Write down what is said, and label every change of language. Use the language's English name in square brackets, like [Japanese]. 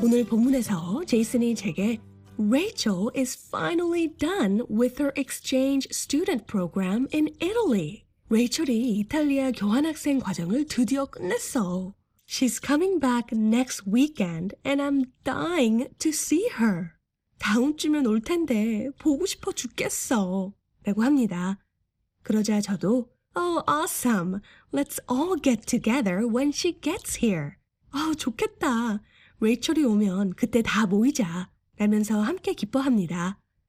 [English] 오늘 본문에서 제이슨이 제게 Rachel is finally done with her exchange student program in Italy. [Korean] Rachel이 이탈리아 교환학생 과정을 드디어 끝냈어. [English] She's coming back next weekend and I'm dying to see her. [Korean] 다음 주면 올 텐데 보고 싶어 죽겠어. 라고 합니다. 그러자 저도 Oh, awesome. [English] Let's all get together when she gets here. [Korean] 아, 좋겠다. 레이첼이 오면 그때 다 모이자. 라면서 함께 기뻐합니다.